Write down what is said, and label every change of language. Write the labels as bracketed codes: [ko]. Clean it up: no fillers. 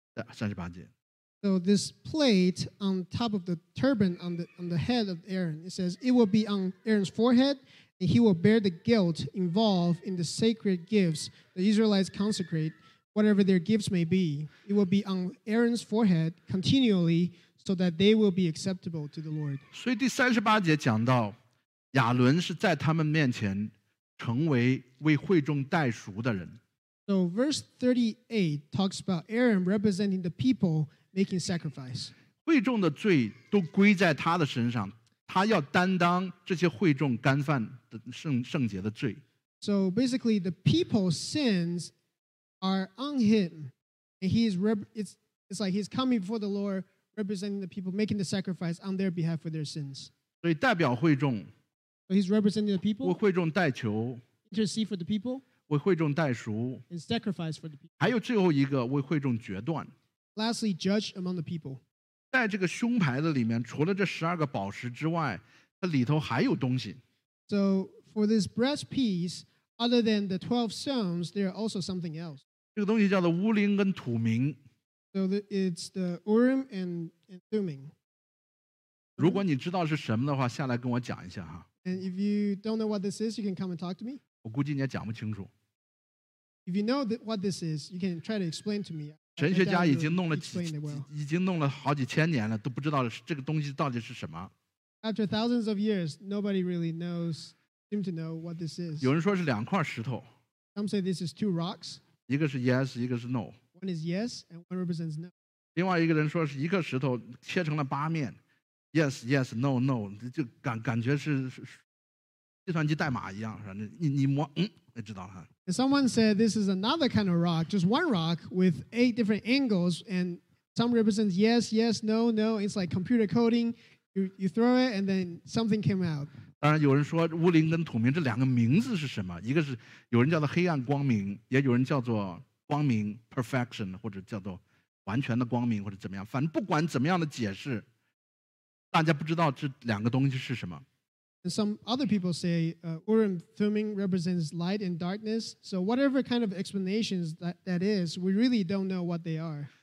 [zh] 三十八节。 [en] So this plate on top of the turban on the head of Aaron, it says it will be on Aaron's forehead, and he will bear the guilt involved in the sacred gifts the Israelites consecrate, whatever their gifts may be. It will be on Aaron's forehead continually, so that they will be acceptable to the Lord. [zh] 所以第三十八节讲到。亚伦是在他们面前成为为会众代赎的人。 [en] So verse 38 talks about Aaron representing the people making sacrifice. [zh] 会众的罪都归在他的身上，他要担当这些会众干犯的圣洁的罪。 [en] So basically, the people's sins are on him, and it's like he's coming before the Lord representing the people making the sacrifice on their behalf for their sins. [zh] 所以代表会众。 [en] So he's representing the people. [zh] 为会众代求。 [en] Intercede for the people. [zh] 为会众代赎。 [en] And sacrifice for the people. [zh] 还有最后一个为会众决断。 [en] Lastly, judge among the people. [zh] 在这个胸牌的里面，除了这十二个宝石之外，它里头还有东西。 [en] So for this breastpiece, other than the 12 stones, there are also something else. [zh] 这个东西叫做乌灵跟土明。 [en] So it's the Urim and Thummim. [zh] 如果你知道是什么的话，下来跟我讲一下哈。 [en] And if you don't know what this is, you can come and talk to me. [zh] 我估计你也讲不清楚。 [en] If you know what this is, you can try to explain to me. [zh] 神学家已经弄了好几千年了，都不知道这个东西到底是什么。 [en] After thousands of years, nobody really knows, seem to know what this is. [zh] 有人说是两块石头。 [en] Some say this is two rocks. [zh] 一个是 yes, 一个是 no. [en] One is yes, and one represents no. [zh] 另外一个人说是一个石头切成了八面。 [en] Yes, yes, no, no, [zh] 就感觉是计算机代码一样，反正你摸，就知道了。 [en] Someone said this is another kind of rock, just one rock with eight different angles, and some represents yes, yes, no, no. It's like computer coding. You throw it, and then something came out. [zh] 当然有人说乌灵跟土明这两个名字是什么？一个是有人叫做黑暗光明，也有人叫做光明 perfection， 或者叫做完全的光明，或者怎么样。反正不管怎么样的解释。大家不知道这两个东西是什么。 [en] Some other people say Urim Thummim represents light and darkness. So whatever kind of explanations that is, we really don't know what they are.